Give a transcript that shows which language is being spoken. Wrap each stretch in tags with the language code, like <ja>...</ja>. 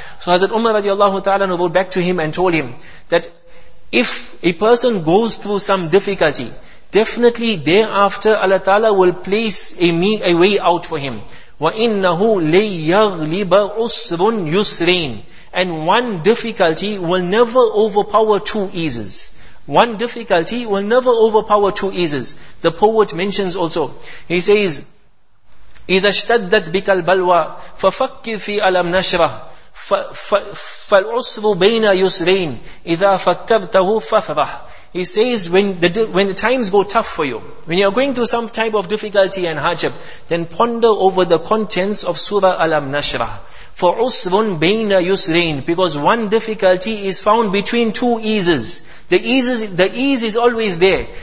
<en>So Hazrat Umar radiallahu ta'ala wrote back to him and told him that if a person goes through some difficulty, definitely thereafter Allah Ta'ala will place a way out for him.</en> <ar>وَإِنَّهُ لَيَغْلِبَ عُسْرٌ يُسْرَيْن.</ar> <en>And one difficulty will never overpower two eases. One difficulty will never overpower two eases. The poet mentions also, he says,</en> <ar>إِذَا اشْتَدَّتْ بِكَ الْبَلْوَى فَفَكِّرْ فِي أَلَمْ نَشْرَهُ فَالْعُسْرُ بَيْنَ يُسْرَيْنِ إِذَا فَكَّرْتَهُ فَفْرَحُ.</ar> <en>He says, when the times go tough for you, when you are going through some type of difficulty and hardship, then ponder over the contents of Surah Alam Nashrah. For usrun bayna yusrain, because one difficulty is found between two eases. The ease is always there.</en>